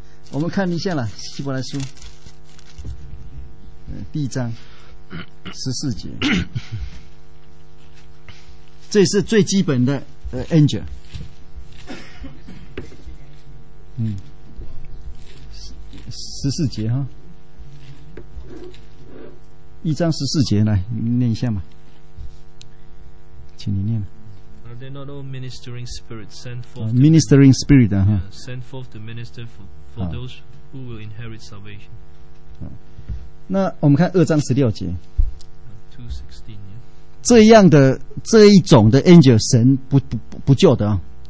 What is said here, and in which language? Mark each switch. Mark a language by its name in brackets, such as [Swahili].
[Chinese] 我们看一下啦希伯来书第一章十四节这是最基本的Angel 十四节哈一章十四节来念一下嘛请你念 [English] Are they not all ministering spirits sent forth ministering spirit sent forth to minister for those who will inherit salvation [Chinese] 那我们看二章十六节 2:16 这样的这一种的 angel 神 不救的、